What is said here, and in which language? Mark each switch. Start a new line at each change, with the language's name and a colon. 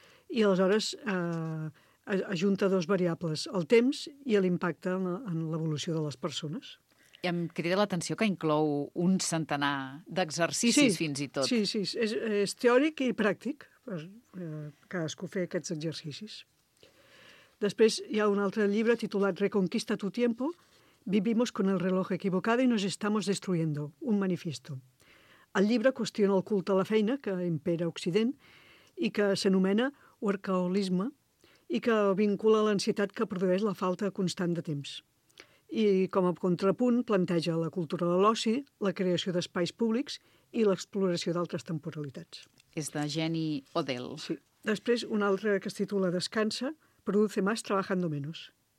Catalan: I aleshores ajunta dos variables, el temps i l'impacte en l'evolució de les persones. I em crida l'atenció que inclou un centenar d'exercicis, sí, fins i tot. Sí, sí, és teòric i pràctic per cadascú fer aquests exercicis. Després hi ha un altre llibre titulat
Spanish: Reconquista tu tiempo, Vivimos con el reloj equivocado y nos estamos destruyendo, un manifiesto.
Catalan: El llibre qüestiona el culte a la feina que impera a Occident i que s'anomena workaholisme, i que vincula l'ansietat que produeix la falta constant de temps. I com a contrapunt planteja la cultura de l'oci, la creació d'espais públics i l'exploració d'altres temporalitats. És de Jenny Odell. Sí. Després, un altre que es titula
Spanish: Descansa, produce más trabajando menos.